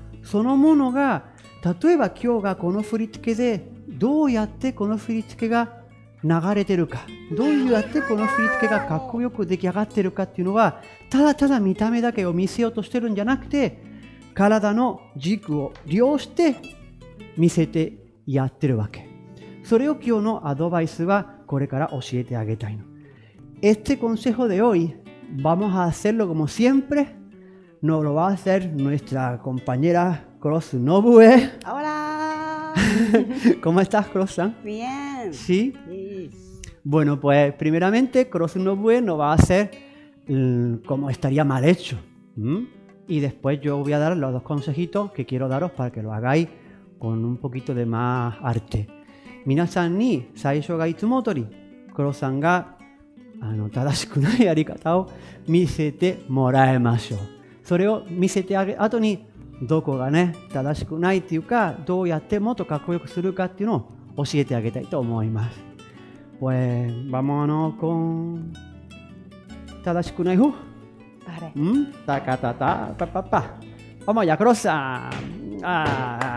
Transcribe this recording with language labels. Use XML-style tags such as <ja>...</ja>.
<ja>そのものが、例えば今日がこの振り付けで、どうやってこの振り付けが流れてるか、どうやってこの振り付けがかっこよく出来上がってるかっていうのは、ただただ見た目だけを見せようとしてるんじゃなくて、体の軸を利用して見せてやってるわけ。それを今日のアドバイスは、これから教えてあげたいの。</ja> <es>Este consejo de hoy vamos a hacerlo como siempre. Nos lo va a hacer nuestra compañera Cross Nobue. Hola. ¿Cómo estás, Cross-san? Bien. ¿Sí? Sí. Bueno, pues primeramente Cross Nobue nos va a hacer como estaría mal hecho. Y después yo voy a dar los dos consejitos que quiero daros para que lo hagáis con un poquito de más arte.</es> <ja>皆さんに最初がいつも通り、クロさんが正しくないやり方を見せてもらいましょう。それを見せてあげ後に、どこがね、正しくないっていうか、どうやってもっとかっこよくするかっていうのを教えてあげたいと思います。</ja> <es>Pues, vamos a no con</es> <ja>正しくない方。あれ。ん?タカタタ、パパパ。</ja> <es>Vamos ya, クロさん。</es>